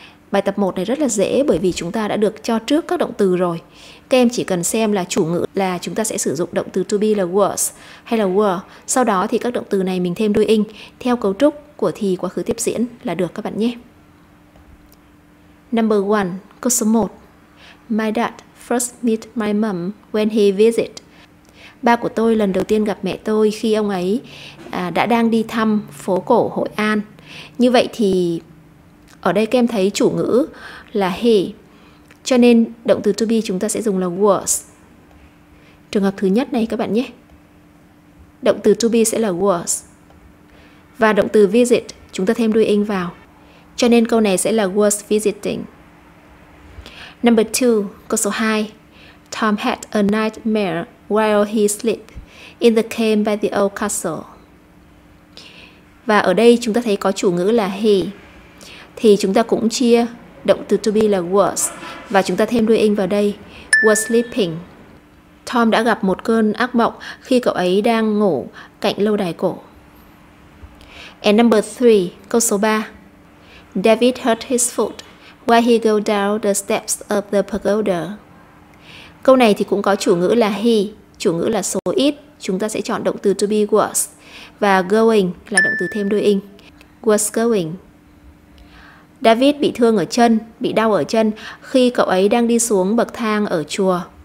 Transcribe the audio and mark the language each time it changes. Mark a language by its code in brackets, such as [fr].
[vi] Bài tập 1 này rất là dễ bởi vì chúng ta đã được cho trước các động từ rồi. Các em chỉ cần xem là chủ ngữ là chúng ta sẽ sử dụng động từ to be là was hay là were. Sau đó thì các động từ này mình thêm đuôi ing theo cấu trúc của thì quá khứ tiếp diễn là được các bạn nhé. [en] Number 1, [vi] câu số 1. [en] My dad first meet my mom when he visit. [vi] Ba của tôi lần đầu tiên gặp mẹ tôi khi ông ấy đã đang đi thăm phố cổ Hội An. Như vậy thì ở đây các em thấy chủ ngữ là he, cho nên động từ to be chúng ta sẽ dùng là was. Trường hợp thứ nhất này các bạn nhé. Động từ to be sẽ là was. Và động từ visit chúng ta thêm đuôi ing vào. Cho nên câu này sẽ là [en] was visiting. Number 2, [vi] câu số 2. [en] Tom had a nightmare while he slept in the cave by the old castle. [vi] Và ở đây chúng ta thấy có chủ ngữ là he. Thì chúng ta cũng chia động từ to be là was. Và chúng ta thêm đuôi ing vào đây. [en] Was sleeping. [vi] Tom đã gặp một cơn ác mộng khi cậu ấy đang ngủ cạnh lâu đài cổ. [en] And number 3, [vi] câu số 3. [en] David hurt his foot while he go down the steps of the pagoda. [vi] Câu này thì cũng có chủ ngữ là he, chủ ngữ là số ít. Chúng ta sẽ chọn động từ to be was. Và going là động từ thêm đuôi ing. [en] Was going. [vi] David bị thương ở chân, bị đau ở chân khi cậu ấy đang đi xuống bậc thang ở chùa.